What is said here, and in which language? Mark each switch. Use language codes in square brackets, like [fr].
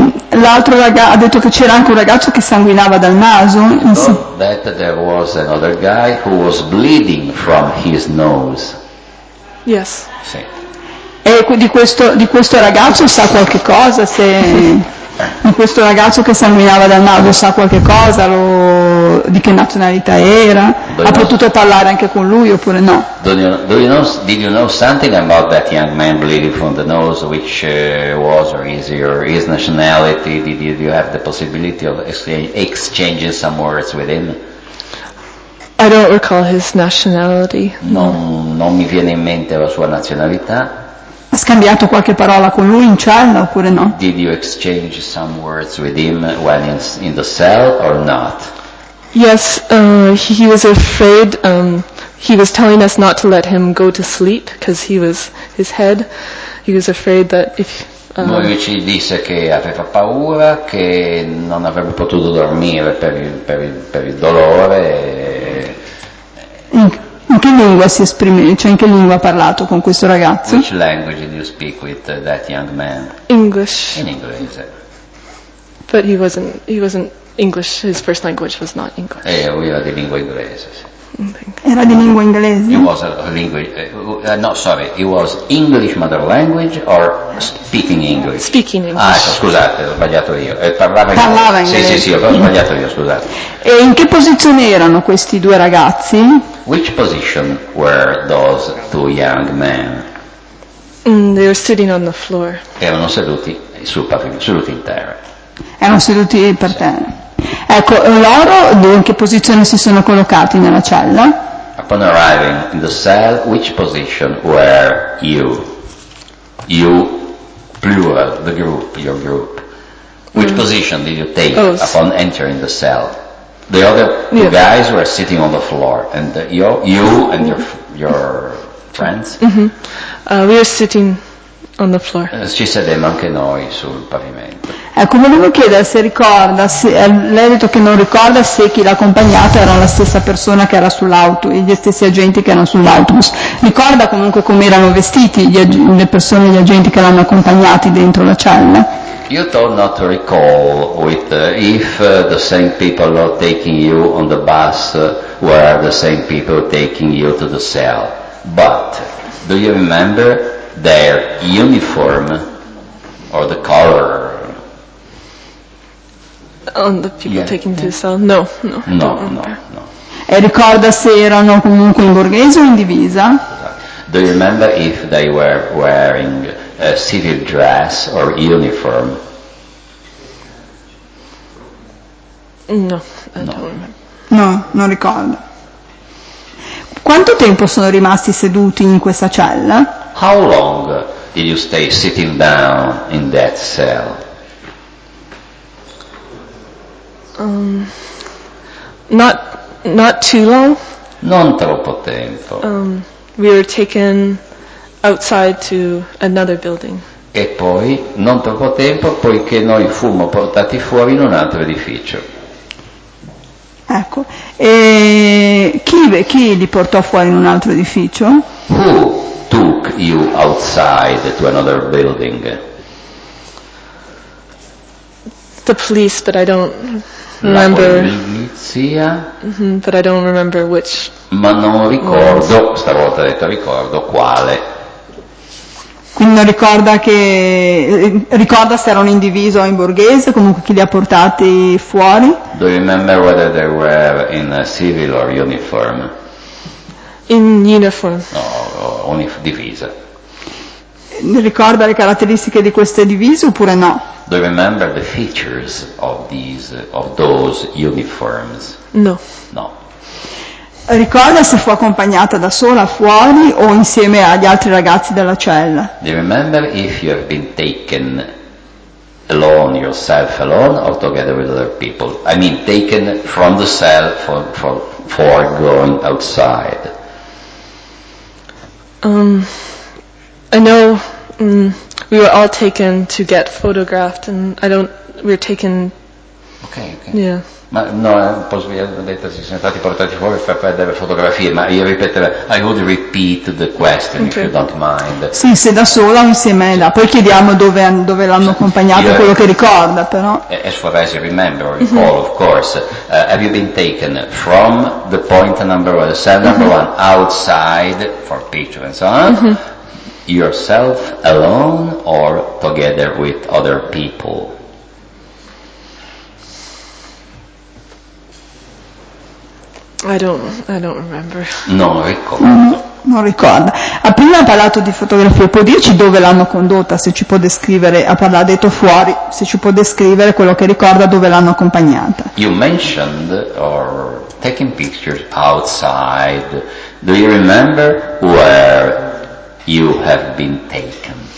[it] L'altro ragazzo ha detto che c'era anche un ragazzo che sanguinava dal naso. [en] So that there was another guy who was bleeding from his nose. Yes. [it] Sì. E di questo ragazzo sa qualche cosa? Se di questo ragazzo che sanguinava dal naso sa qualche cosa, di che nazionalità era? Ha potuto parlare anche con lui oppure no? [en] Did you know something about that young man bleeding from the nose, which was or is his nationality? Did you have the possibility of exchanging some words with him? I don't recall his nationality. [it] Non mi viene in mente la sua nazionalità. Ha scambiato qualche parola con lui in cella oppure no? [en] Did you exchange some words with him when in the cell or not? Yes, he was afraid. He was telling us not to let him go to sleep because he was afraid that if. [it] Lui ci disse che aveva paura, che non avrebbe potuto dormire per il dolore. In che lingua si esprime? Cioè in che lingua ha parlato con questo ragazzo? [en] Which language did you speak with that young man? English. [it] In inglese. [en] But he wasn't English. His first language was not English. [it] Lui era di lingua inglese. Era di lingua inglese. [en] It was a language. No, sorry. It was English mother language or speaking English. Speaking English. [it] Ah, ecco, scusate, ho sbagliato io. Parlava inglese. Sì, ho sbagliato io, scusate. E in che posizione erano questi due ragazzi? [en] Which position were those two young men? They were sitting on the floor. [it] Erano seduti seduti in terra. Erano seduti per terra. Ecco, loro in che posizione si sono collocati nella cella? [en] Upon arriving in the cell, which position were you? You, plural, the group, your group. Which position did you take upon entering the cell? The other two guys were sitting on the floor, and you and your friends? We were sitting on the floor. [it] Ci sedemmo anche noi sul pavimento. Ecco, volevo chiedere se ricorda, lei ha detto che non ricorda se chi l'ha accompagnata era la stessa persona che era sull'auto, gli stessi agenti che erano sull'autobus. Ricorda comunque come erano vestiti gli agenti che l'hanno accompagnati dentro la cella? [en] You don't not to recall with if the same people are taking you on the bus were the same people taking you to the cell. But do you remember their uniform or the color? On the people taking to the cell? No. [it] E ricorda se erano comunque in borghese o in divisa? [en] Do you remember if they were wearing a civil dress or uniform? [it] non ricordo. Quanto tempo sono rimasti seduti in questa cella? [en] How long did you stay sitting down in that cell? Not too long. [it] Non troppo tempo. [en] We were taken outside to another building. [it] E poi, non troppo tempo, poiché noi fummo portati fuori in un altro edificio. Ecco, e chi li portò fuori in un altro edificio? [en] Who took you outside to another building? The police, but I don't remember. [it] La polizia? [en] But I don't remember which. [it] Ma non ricordo, stavolta ho detto ricordo, quale. Quindi non ricorda che ricorda se era un indiviso o in borghese, comunque chi li ha portati fuori? [en] Do you remember whether they were in a civil or uniform? In uniform. [it] No, divisa. Ricorda le caratteristiche di queste divise oppure no? [en] Do you remember the features of these of those uniforms? No. [it] No. Ricorda se fu accompagnata da sola fuori o insieme agli altri ragazzi della cella? [en] Do you remember if you have been taken alone, yourself alone, or together with other people? I mean, taken from the cell for going outside. I know we were all taken to get photographed, and we were taken. Okay. Yeah. [it] Ma no, detto si sono stati portati fuori per prendere fotografie, ma io ripeterò, [en] I would repeat the question okay. If you don't mind. [it] Sì, se da sola o insieme là. Poi chiediamo dove l'hanno accompagnato, quello che ricorda, però. [en] As far as you remember, recall, mm-hmm. Of course. Have you been taken from the point number one, cell number mm-hmm. one, outside for picture and so on, mm-hmm. yourself alone or together with other people? I don't remember. [it] Non ricordo. Non ricordo. Ha prima parlato di fotografie, può dirci dove l'hanno condotta, se ci può descrivere, se ci può descrivere quello che ricorda, dove l'hanno accompagnata. [en] You mentioned or taking pictures outside. Do you remember where you have been taken?